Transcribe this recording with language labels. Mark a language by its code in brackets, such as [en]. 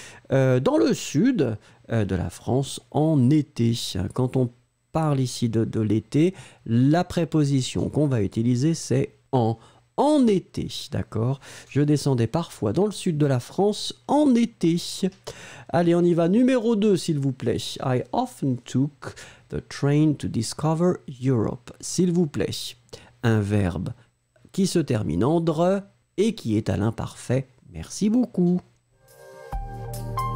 [fr] Dans le sud de la France, en été, quand on parle ici de l'été, la préposition qu'on va utiliser, c'est en été, d'accord ? Je descendais parfois dans le sud de la France en été. Allez, on y va, numéro 2, s'il vous plaît. [en] I often took the train to discover Europe. [fr] S'il vous plaît, un verbe qui se termine en dre et qui est à l'imparfait. Merci beaucoup. Yeah.